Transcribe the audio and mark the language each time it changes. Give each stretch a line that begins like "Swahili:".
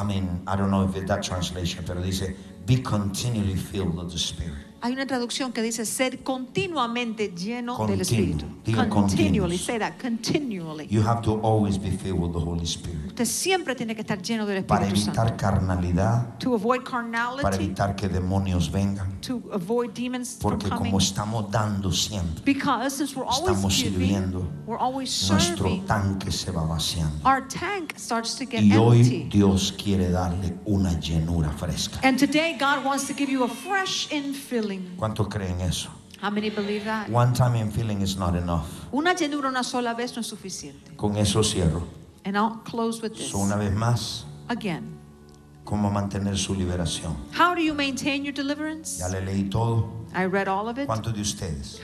English: I mean, I don't know if it's that translation,
Spanish: pero dice,
English: be continually filled with the Spirit.
Spanish: Hay una traducción que dice, ser continuamente lleno del Espíritu.
English: Continually, say that, continually. You have to always be filled with the Holy Spirit.
Spanish: Usted siempre tiene que estar lleno del Espíritu para evitar Santo. Carnalidad.
English: To avoid carnality.
Spanish: Para evitar que demonios vengan.
English: To avoid demons
Spanish: porque
English: from coming.
Spanish: Como estamos dando siempre.
English: Because since we're always
Spanish: estamos
English: giving,
Spanish: sirviendo,
English: we're always
Spanish: nuestro
English: serving,
Spanish: tanque se va vaciando.
English: Our tank starts to get
Spanish: y
English: empty.
Spanish: Hoy Dios quiere darle una llenura fresca.
English: And today God wants to give you a fresh infilling.
Spanish: ¿Cuántos creen eso?
English: How many believe that? One time in filling is not enough.
Spanish: Una llenura una sola vez no es suficiente. Con eso cierro.
English: And I'll close with this.
Spanish: So una vez más.
English: Again.
Spanish: ¿Cómo mantener su liberación?
English: How do you maintain your deliverance?
Spanish: Ya le leí todo.
English: I read all of it.
Spanish: ¿Cuántos de ustedes?